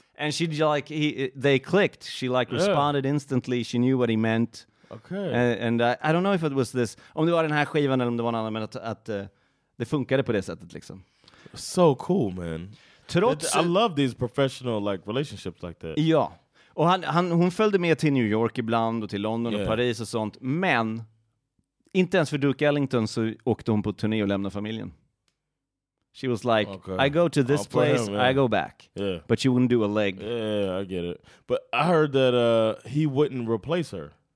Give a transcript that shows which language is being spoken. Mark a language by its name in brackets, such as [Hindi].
[English] And she like, they clicked. She like responded instantly. She knew what he meant. Okay. And I don't know if it was this... [Swedish] Om det var den här skivan eller om det var någon annan, att det funkade på det sättet, liksom. [English] So cool, man. I love these professional like relationships like that. [Swedish] Ja. Och hon följde med till New York ibland och till London och Paris och sånt. Men inte ens för Duke Ellington så åkte hon på turné och lämnade familjen. [English] She was like, okay. I go to this place, him, I go back. Yeah. But you wouldn't do a leg. Yeah, I get it. But I heard that he wouldn't replace her.